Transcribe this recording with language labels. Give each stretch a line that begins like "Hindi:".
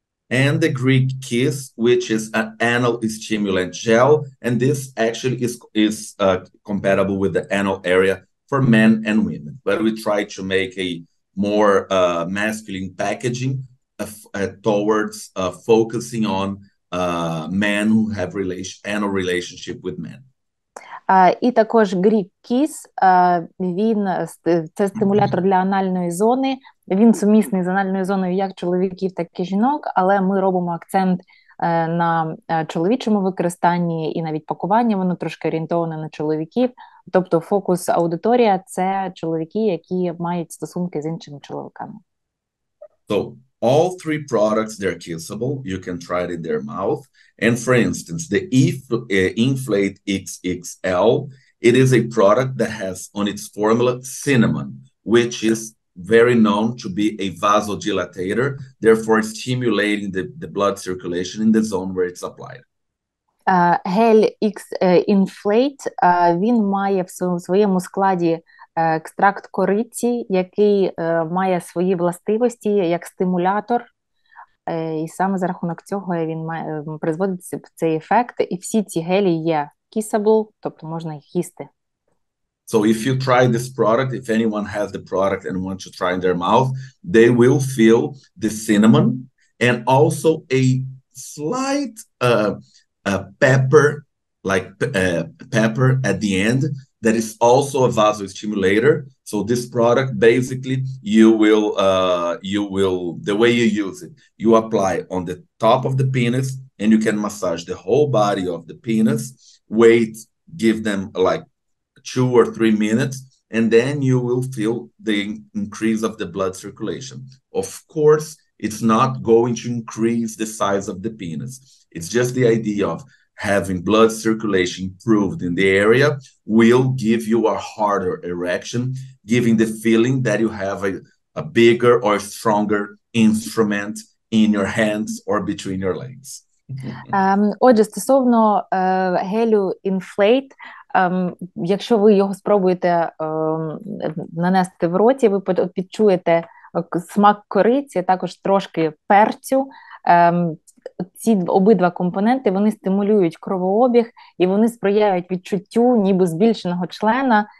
English: And the Greek kiss, which is an anal stimulant gel, and this actually is compatible with the anal area for men and women. But we try to make a more masculine packaging towards focusing on men who have anal relationship with men.
Ukrainian: І також Greek kiss, він це стимулятор для анальної зони. Він сумісний з анальною зоною як чоловіків, так і жінок, але ми робимо акцент на чоловічому використанні, і навіть пакування воно трошки орієнтоване на чоловіків. Тобто фокус аудиторія – це чоловіки, які мають стосунки з іншими чоловіками.
English: So, all three products, they're kissable. You can try it in their mouth. And for instance, the Inflate XXL, it is a product that has on its formula cinnamon, which is very known to be a vasodilator, therefore stimulating the blood circulation in the zone where it's applied.
Ukrainian: Гель X Inflate, він має в своєму складі екстракт кориці, який має свої властивості як стимулятор. І саме за рахунок цього він призводить цей ефект. І всі ці гелі є kissable, тобто можна їх їсти.
English: So if you try this product, if anyone has the product and wants to try in their mouth, they will feel the cinnamon and also a slight pepper, like pepper at the end, that is also a vasostimulator. So this product, basically, the way you use it, you apply on the top of the penis and you can massage the whole body of the penis, wait, give them like 2 or 3 minutes, and then you will feel the increase of the blood circulation. Of course, it's not going to increase the size of the penis. It's just the idea of having blood circulation improved in the area will give you a harder erection, giving the feeling that you have a bigger or stronger instrument in your hands or between your legs.
Ukrainian: Отже, стосовно гелю Inflate, якщо ви його спробуєте нанести в роті, ви відчуєте смак кориці, також трошки перцю. Ці обидва компоненти, вони стимулюють кровообіг і вони сприяють відчуттю ніби збільшеного члена.